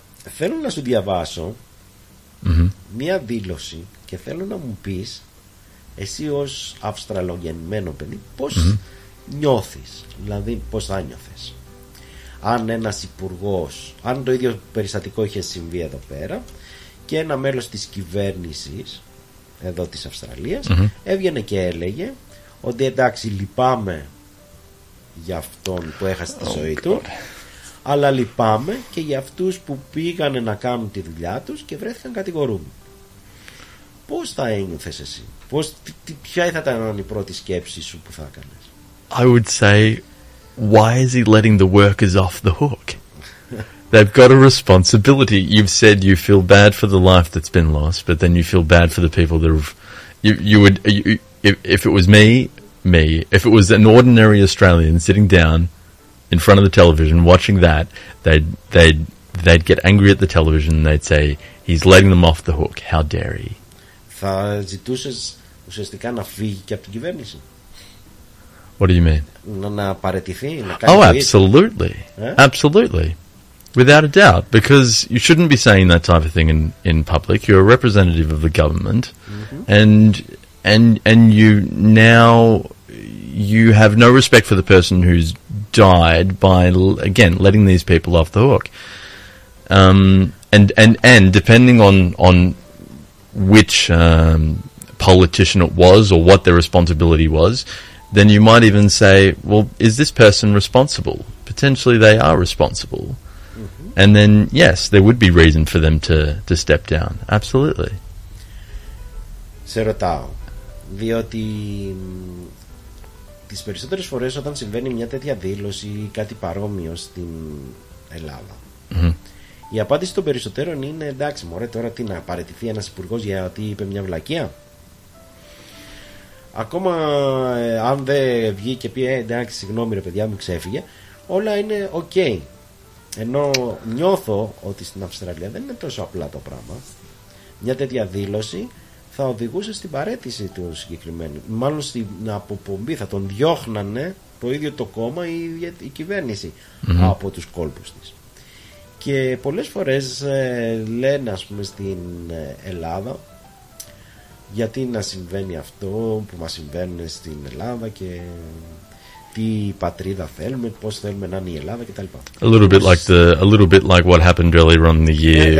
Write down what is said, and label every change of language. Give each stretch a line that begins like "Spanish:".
Greek: Θέλω να σου διαβάσω μία δήλωση και θέλω να μου πεις εσύ ως αυστραλογεννημένο παιδί πώς νιώθεις, δηλαδή πώς θα νιώθες αν ένας υπουργός, αν το ίδιο περιστατικό είχε συμβεί εδώ πέρα και ένα μέλος της κυβέρνησης εδώ της Αυστραλίας έβγαινε και έλεγε ότι εντάξει, λυπάμαι για αυτόν που έχασε τη ζωή του, αλλά λυπάμαι και για αυτούς που πήγανε να κάνουν τη δουλειά τους και βρέθηκαν κατηγορούμενοι. Πώς θα ένιωθες εσύ, ποια θα ήταν η πρώτη σκέψη σου που θα έκανες?
English: I would say, why is he letting the workers off the hook? They've got a responsibility. You've said you feel bad for the life that's been lost, but then you feel bad for the people that have... If it was me, if it was an ordinary Australian sitting down in front of the television watching that, they'd get angry at the television and they'd say, he's letting them off the hook. How dare he?
Greek: Θα ζητούσες ουσιαστικά να φύγει και από την κυβέρνηση.
English: What do you mean?
Greek: Να παραιτηθεί, να κάνει...
English: Oh, absolutely. Yeah? Absolutely. Without a doubt, because you shouldn't be saying that type of thing in public. You're a representative of the government, and you now you have no respect for the person who's died by again letting these people off the hook. And depending on which politician it was or what their responsibility was, then you might even say, well, is this person responsible? Potentially, they are responsible. And then, yes, there would be reason for them to step down. Absolutely.
Greek: Σε ρωτάω, διότι τις περισσότερες φορές όταν συμβαίνει μια τέτοια δήλωση ή κάτι παρόμοιο στην Ελλάδα, η απάντηση των περισσότερων είναι εντάξει, μωρέ, τώρα τι να παραιτηθεί ένας υπουργός γιατί είπε μια βλακεία. Ακόμα αν δεν βγει και πει εντάξει, συγγνώμη ρε παιδιά μου, ξέφυγε, όλα είναι ok. Ενώ νιώθω ότι στην Αυστραλία δεν είναι τόσο απλά το πράγμα. Μια τέτοια δήλωση θα οδηγούσε στην παραίτηση του συγκεκριμένου. Μάλλον στην αποπομπή θα τον διώχνανε το ίδιο το κόμμα ή η κυβέρνηση από τους κόλπους της. Και πολλές φορές λένε ας πούμε στην Ελλάδα γιατί να συμβαίνει αυτό που μας συμβαίνει στην Ελλάδα και...
English: A little bit like what happened earlier on in the year.